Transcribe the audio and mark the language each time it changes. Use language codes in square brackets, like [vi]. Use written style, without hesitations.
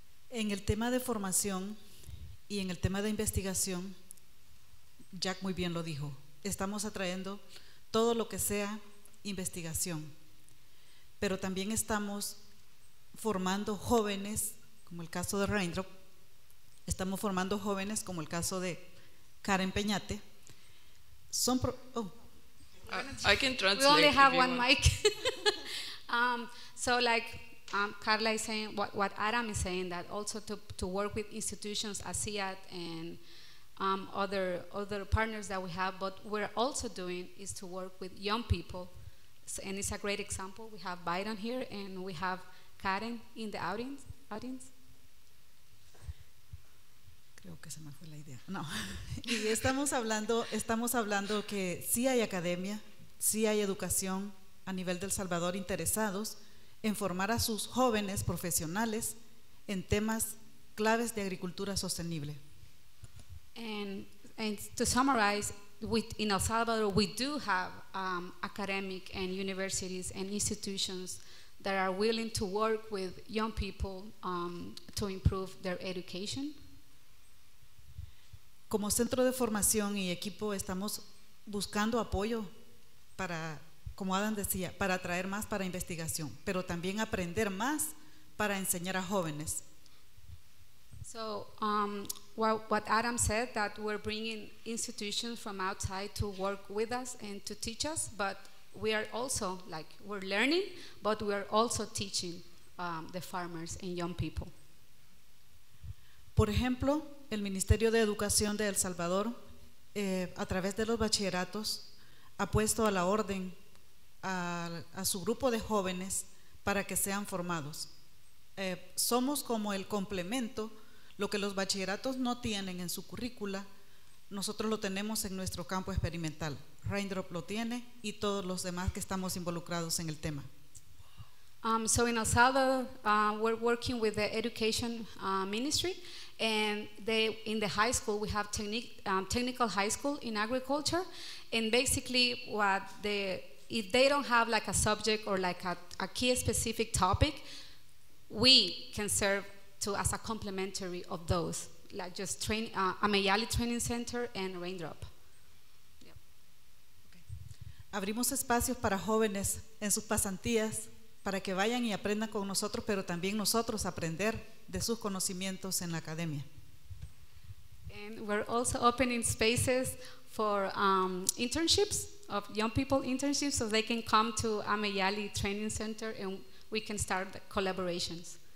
[es] En el tema de formación y en el tema de investigación, Jack muy bien lo dijo, estamos atrayendo todo lo que sea investigación, pero también estamos formando jóvenes, como el caso de Raindrop, estamos formando jóvenes, como el caso de Karen Peñate, son... [en] I can translate. We only have one mic. So like Carla is saying, what Adam is saying, that also to work with institutions, ASEAD, and other partners that we have, but we're also doing is to work with young people. So, and it's a great example. We have Biden here, and we have Karen in the audience. [es] Creo que se me fue la idea. No. Y estamos hablando que sí hay academia, sí hay educación a nivel del Salvador interesados en formar a sus jóvenes profesionales en temas claves de agricultura sostenible. [en] And to summarize, in El Salvador we do have academic and universities and institutions that are willing to work with young people to improve their education. [es] Como centro de formación y equipo estamos buscando apoyo para, como Adam decía, para atraer más para investigación, pero también aprender más para enseñar a jóvenes. [en] So, what Adam said, that we're bringing institutions from outside to work with us and to teach us, but we are also, like, we're learning, but we are also teaching the farmers and young people. [es] Por ejemplo, el Ministerio de Educación de El Salvador, a través de los bachilleratos, ha puesto a la orden a su grupo de jóvenes para que sean formados. Somos como el complemento. Lo que los bachilleratos no tienen en su currícula, nosotros lo tenemos en nuestro campo experimental. Raindrop lo tiene y todos los demás que estamos involucrados en el tema. [en] So in El Salvador, we're working with the education ministry, and they, in the high school, we have technical high school in agriculture, and basically what the, if they don't have like a subject or like a key specific topic, we can serve to as a complementary of those, like just train, Ameyali Training Center and Raindrop. Yep. Okay. [es] Abrimos espacios para jóvenes en sus pasantías para que vayan y aprendan con nosotros, pero también nosotros aprender de sus conocimientos en la academia. [en] And we're also opening spaces for internships, of young people internships, so they can come to Ameyali Training Center and we can start the collaborations.